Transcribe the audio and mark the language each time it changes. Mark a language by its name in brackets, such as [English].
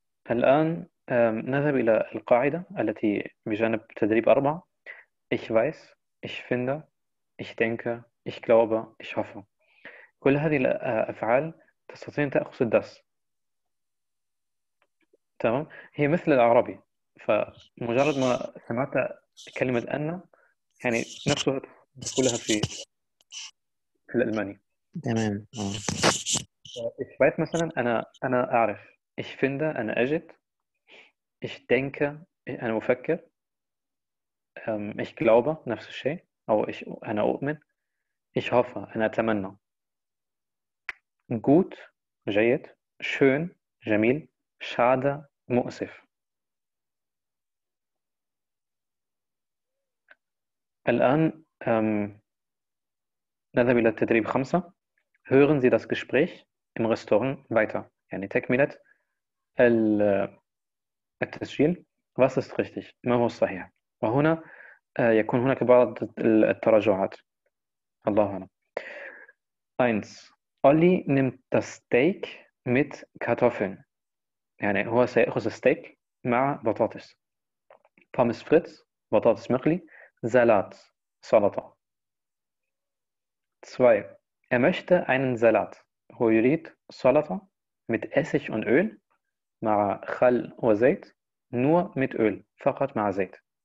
[Arabic] الآن نذهب إلى القاعدة التي بجانب تدريب 4. [German] Ich weiß, ich finde, ich denke, ich glaube, ich hoffe. [Arabic] كل هذه الأفعال تستطيع أن تأخذ das. تمام؟ هي مثل العربي. فمجرد ما سمعت كلمة أن يعني نفسها كلها في الألماني. تمام. [German] Ich weiß [Arabic] مثلا أنا أعرف. [German] Ich finde, [Arabic] أنا أجد. [German] Ich denke, [Arabic] أنا أفكر. [German] Ich glaube, [Arabic] نفس الشيء. أو أنا أؤمن. [German] Ich hoffe, [Arabic] أنا أتمنى. Gut, جيد. Schön, جميل. Schade, مؤسف. الآن نذهب إلى التدريب 5. [German] Hören Sie das Gespräch im Restaurant weiter. [Arabic] يعني تكملة التسجيل. [German] Was ist richtig? [Arabic] ما هو الصحيح؟ وهنا يكون هناك بعض التراجعات. الله أعلم. 1. [German] Olli nimmt das Steak mit Kartoffeln. [Arabic] يعني هو سيأخذ الستيك مع بطاطس. Pommes frites, بطاطس مقلي. Salat, سلطة. 2. [German] Er möchte einen Salat. [Arabic] هو يريد سلطة [German] mit Essig und Öl, [Arabic] مع خل وزيت, [German] nur mit Öl, [Arabic] فقط مع زيت.